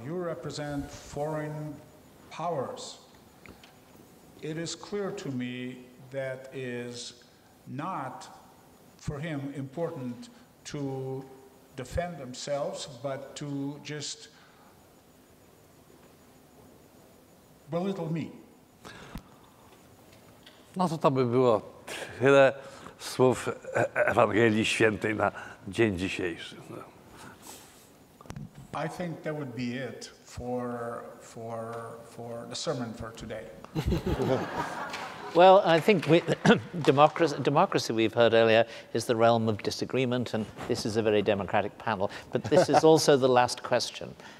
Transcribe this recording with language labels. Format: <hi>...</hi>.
<en>You represent foreign powers. It is clear to me that is not for him important to defend themselves, but to just belittle me.</en> <pl>No, to tam by było tyle słów Ewangelii Świętej na dzień dzisiejszy.</pl> <en>I think that would be it for the sermon for today. Well, I think democracy we've heard earlier is the realm of disagreement, and this is a very democratic panel. But this is also the last question.</en>